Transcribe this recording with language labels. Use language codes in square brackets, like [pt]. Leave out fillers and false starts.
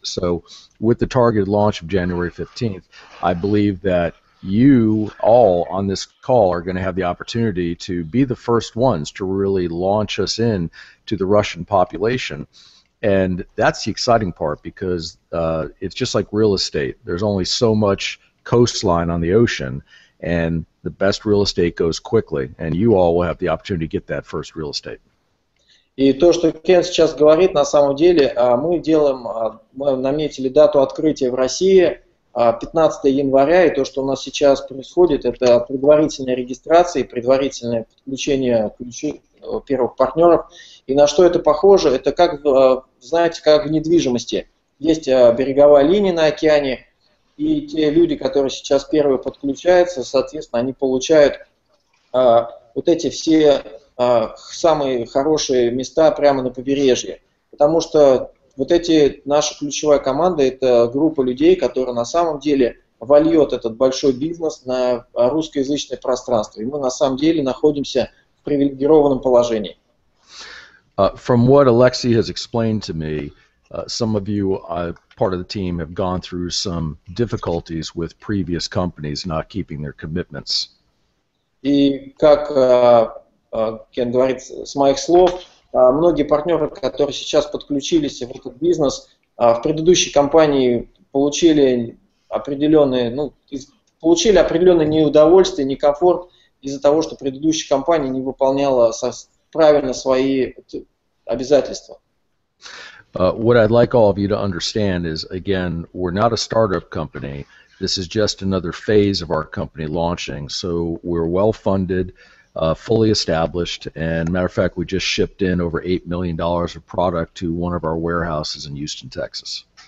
[en] So with the targeted launch of January 15th, I believe that you all on this call are going to have the opportunity to be the first ones to really launch us in to the Russian population. And that's the exciting part, because it's just like real estate. There's only so much coastline on the ocean, and the best real estate goes quickly, and you all will have the opportunity to get that first real estate. [ru] И то, что Кен сейчас говорит, на самом деле, мы делаем, мы наметили дату открытия в России 15 января, и то, что у нас сейчас происходит, это предварительная регистрация и предварительное подключение первых партнеров. И на что это похоже? Это как, знаете, как в недвижимости. Есть береговая линия на океане, и те люди, которые сейчас первые подключаются, соответственно, они получают вот эти все самые хорошие места прямо на побережье. Потому что вот эти, наша ключевая команда, это группа людей, которая на самом деле вольет этот большой бизнес на русскоязычное пространство. И мы на самом деле находимся в привилегированном положении. [en] From what Alexei has explained to me, some of you, part of the team, have gone through some difficulties with previous companies not keeping their commitments. [ru] И как Кен говорит, с моих слов, многие партнеры, которые сейчас подключились в этот бизнес, в предыдущей компании получили определенные, ну, получили определенное неудовольствие, некомфорт из-за того, что предыдущая компания не выполняла правильно свои обязательства. [en] What I'd like all of you to understand is, again, we're not a startup company. This is just another phase of our company launching. So we're well-funded, fully established, and matter of fact, we just shipped in over $8 million of product to one of our warehouses in Houston, Texas.